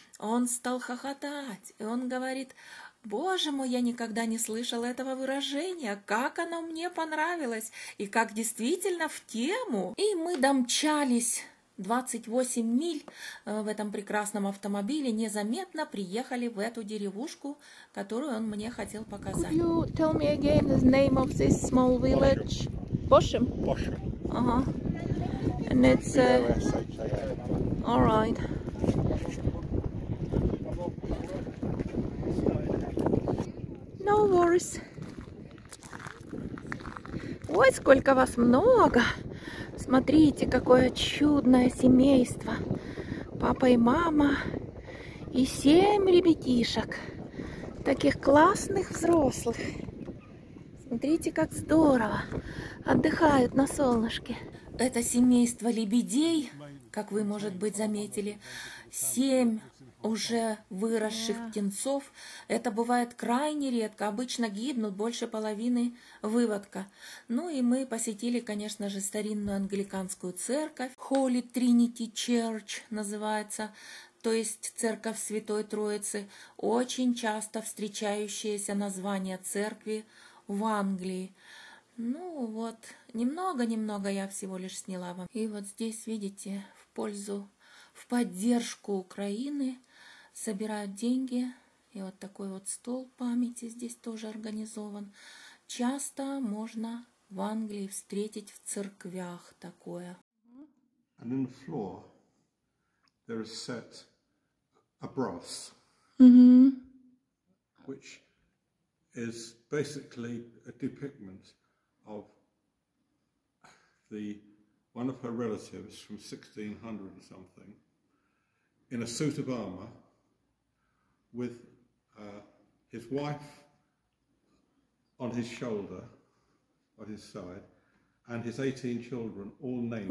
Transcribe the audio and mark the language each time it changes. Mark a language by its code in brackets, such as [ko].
[ru] Он стал хохотать, и он говорит... Боже мой, я никогда не слышала этого выражения, как оно мне понравилось, и как действительно в тему. И мы домчались 28 миль в этом прекрасном автомобиле, незаметно приехали в эту деревушку, которую он мне хотел показать. [en] Could you tell me again the name of this small village? Boshem? Boshem. [ru] Ага. [en] All right. No worries. [ru] Ой, сколько вас много! Смотрите, какое чудное семейство. Папа и мама. И 7 ребятишек. Таких классных взрослых. Смотрите, как здорово. Отдыхают на солнышке. Это семейство лебедей, как вы, может быть, заметили. 7 уже выросших птенцов. Это бывает крайне редко. Обычно гибнут больше половины выводка. Ну и мы посетили, конечно же, старинную англиканскую церковь. Holy Trinity Church называется. То есть церковь Святой Троицы. Очень часто встречающееся название церкви в Англии. Ну вот, немного-немного я всего лишь сняла вам. И вот здесь, видите, в пользу, в поддержку Украины собирают деньги, и вот такой вот стол памяти здесь тоже организован. Часто можно в Англии встретить в церквях такое. [en] And in the floor there is set a brass. Mm-hmm. Which is basically a depiction of the one of her relatives from 1600 and something in a suit of armor with his wife on his shoulder, on his side, and his 18 children all named.